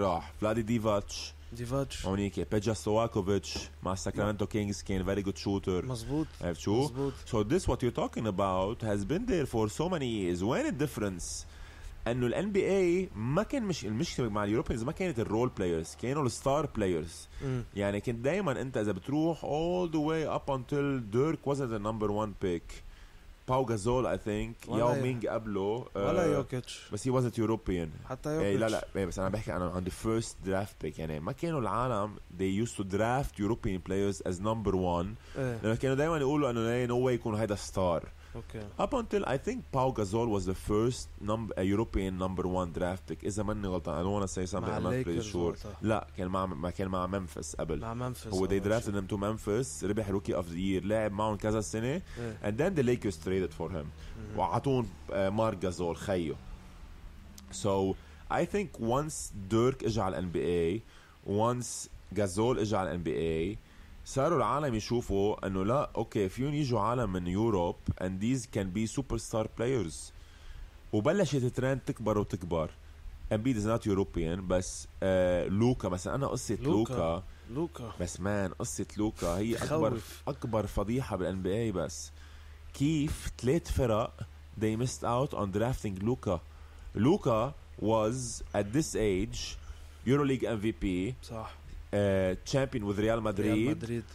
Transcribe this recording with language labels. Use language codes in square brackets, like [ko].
[ar] راح فلادي ديفاتش هونيك بيجا سواكوفيتش مع ساكرامنتو كينجز كان [en] very good shooter. [ar] مزبوط عرفت شو؟ [en] So this what you're talking about has been there for so many years. When the difference [ar] انه ال NBA ما كان مش المشكله مع اليوروبيانز ما كانت الرول بلايرز كانوا الستار بلايرز. يعني كنت دائما انت اذا بتروح [en] all the way up until Dirk was the number one pick. [ar] باو غازول اي ثينك ياو مينغ قبله ولا يوكيتش بس هي وزنت يوروبيان حتى يوكيتش. لا بس انا بحكي انا عندي فيرست درافت بيك. يعني ما كانوا العالم [en] they used to draft European players as number one. [ar] لانه كانوا دائما يقولوا انه ايه نو واي يكون هيدا ستار. [en] Okay. Up until I think Pau Gasol was the first European number one draft pick. [ar] إذا ماني غلطان. [en] I don't want to say something. I'm not pretty sure. [ar] لا كان مع ما كان مع ممفيس قبل. مع ممفيس. [en] هو they drafted him to Memphis. ربح Rookie of the Year. [ar] لعب معهم كذا سنة. [en] And then the Lakers traded for him. [ar] وعطون مارك غازول خيو. [en] So I think once Dirk [ar] إجى على [en] NBA, once Gasol إجى على NBA. [ar] صاروا العالم يشوفوا انه لا اوكي فيهم يجوا عالم من يوروب [en] and these can be superstar players. [ar] وبلشت الترند تكبر وتكبر. [en] Embiid is not European [ar] بس لوكا مثلا. انا قصة لوكا بس مان قصة لوكا هي اكبر فضيحة بالNBA. بس كيف ثلاث فرق [en] they missed out on drafting [ar] لوكا. [en] Luka was at this age EuroLeague MVP [ar] صح [en] champion with Real Madrid